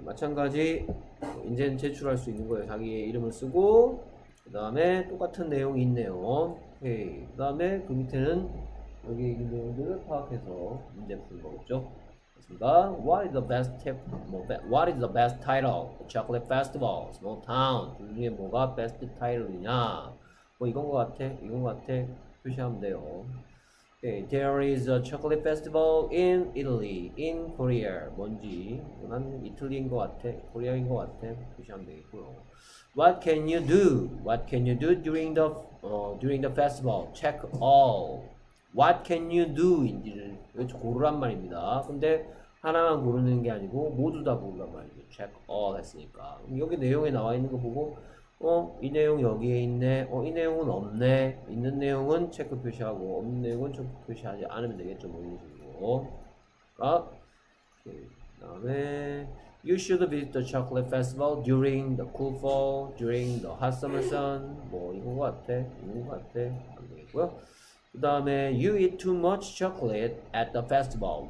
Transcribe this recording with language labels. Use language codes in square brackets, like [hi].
[ko] 마찬가지 인젠 제출할 수 있는 거예요. 자기의 이름을 쓰고 그 다음에 똑같은 내용이 있네요. 오케이. 그 다음에 그 밑에는 여기 있는 내용들을 파악해서 문제 푸는 거겠죠. 맞습니다. [en] What is the best tip? What is the best title? Chocolate Festival, Small Town. [ko] 둘 중에 뭐가 베스트 타이틀이냐? 뭐 이건 거 같아. 이건 거 같아. 표시하면 돼요. [en] Okay, there is a chocolate festival in Italy, in Korea. [ko] 뭔지? 난 이틀리인 것 같아. 코리아인 것 같아. 표시하면 되겠고요. [en] What can you do? What can you do during the festival? Check all. What can you do? [ko] 인지를 고르란 말입니다. 근데 하나만 고르는 게 아니고 모두 다 고르란 말이죠. [en] Check all [ko] 했으니까. 여기 내용에 나와 있는 거 보고 이 내용 여기에 있네. 이 내용은 없네. 있는 내용은 체크 표시하고, 없는 내용은 체크 표시하지 않으면 되겠죠. 뭐 이런 식으로. 그다음에 [en] You should visit the chocolate festival during the cool fall, during the hot summer sun. [ko] 뭐 이런 거 같아. 이런 거 같아. 안 되겠고요. 그다음에 [en] You eat too much chocolate at the festival.